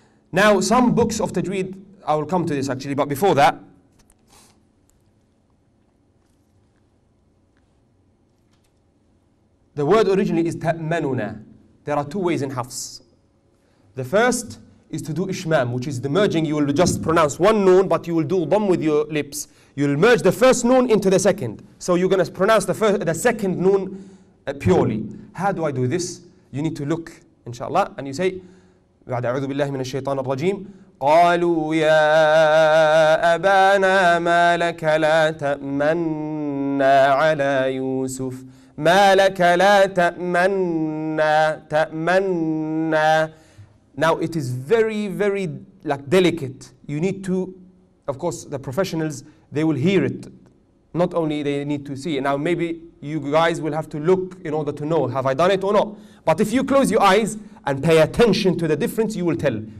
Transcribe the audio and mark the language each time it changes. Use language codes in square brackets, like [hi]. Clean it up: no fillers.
[en] Now, some books of Tajweed, I will come to this actually, but before that, the word originally is ta'manuna. There are two ways in Hafs. The first is to do ishmam, which is the merging. You will just pronounce one noon, but you will do dhamm with your lips. You'll merge the first noon into the second. So you're going to pronounce the second noon purely. How do I do this? You need to look, inshallah, and you say, [ar] بعد أعوذ بالله من الشيطان الرجيم قالوا يا أبانا ما لك لا تأمنا على يوسف ما لك لا تأمنا تأمنا. [en] Now it is very, very like delicate. You need to, of course, the professionals, they will hear it. Not only they need to see it. Now maybe you guys will have to look in order to know, have I done it or not? But if you close your eyes and pay attention to the difference, you will tell.